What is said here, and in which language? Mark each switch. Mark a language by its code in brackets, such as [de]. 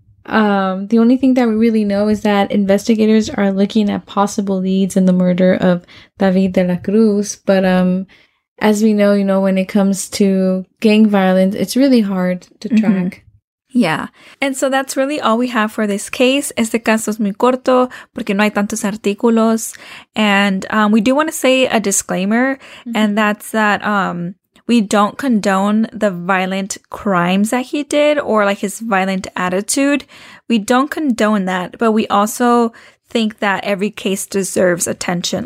[en] The only thing that we really know is that investigators are looking at possible leads in the murder of David de la Cruz, but as we know, you know, when it comes to gang violence, it's really hard to track. Mm-hmm. Yeah. And so that's really all we have for this case. [es] Este caso es muy corto porque no hay tantos artículos. [en] And we do want to say a disclaimer, and that's that we don't condone the violent crimes that he did or like his violent attitude. We don't condone that, but we also think that every case deserves attention.